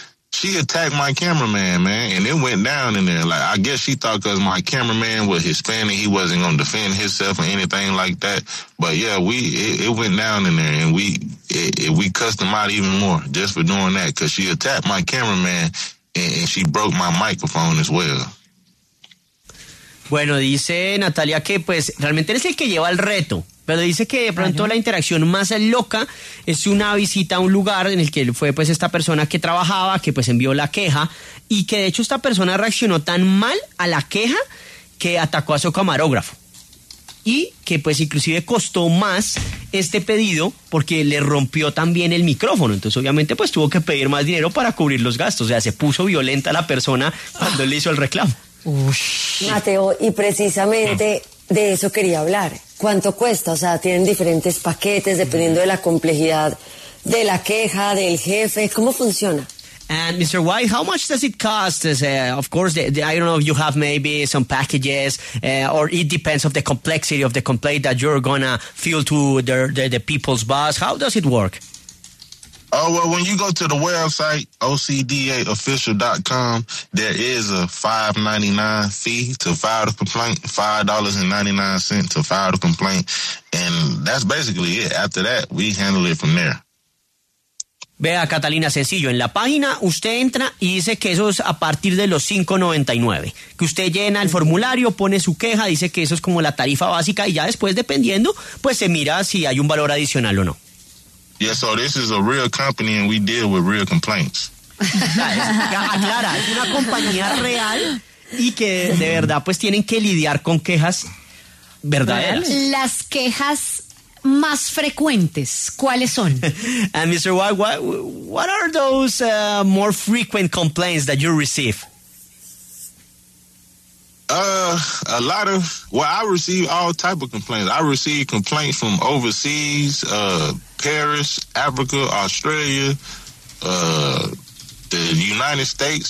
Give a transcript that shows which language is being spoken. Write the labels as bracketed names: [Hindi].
[English] She attacked my cameraman, man, and it went down in there. Like, I guess she thought because my cameraman was Hispanic, he wasn't going to defend himself or anything like that. But yeah, it went down in there, and we cussed him out even more just for doing that, because she attacked my cameraman and she broke my microphone as well. [Spanish] Bueno, dice Natalia que pues realmente eres el que lleva el reto, pero dice que de pronto la interacción más loca es una visita a un lugar en el que fue pues esta persona que trabajaba, que pues envió la queja, y que de hecho esta persona reaccionó tan mal a la queja que atacó a su camarógrafo. Y que pues inclusive costó más este pedido porque le rompió también el micrófono. Entonces obviamente pues tuvo que pedir más dinero para cubrir los gastos. O sea, se puso violenta la persona cuando le hizo el reclamo. Mateo, y precisamente de eso quería hablar. ¿Cuánto cuesta? O sea, tienen diferentes paquetes dependiendo de la complejidad de la queja, del jefe. ¿Cómo funciona? [English] And Mr. White, how much does it cost? Of course, I don't know if you have maybe some packages, or it depends of the complexity of the complaint that you're gonna fill to the people's boss. How does it work? Oh, well, when you go to the website, OCDAofficial.com, there is a $5.99 fee to file the complaint, $5.99 to file the complaint, and that's basically it. After that, we handle it from there. [Spanish] Vea, Catalina, sencillo, en la página usted entra y dice que eso es a partir de los $5.99, que usted llena el formulario, pone su queja, dice que eso es como la tarifa básica, y ya después, dependiendo, pues se mira si hay un valor adicional o no. [English] Yeah, so this is a real company and we deal with real complaints. [Spanish] Aclara, es una compañía real y que de verdad pues tienen que lidiar con quejas verdaderas. Las quejas más frecuentes, ¿cuáles son? [English] And Mr. White, what are those more frequent complaints that you receive? I receive all type of complaints. I receive complaints from overseas, Paris, Africa, Australia, the United States.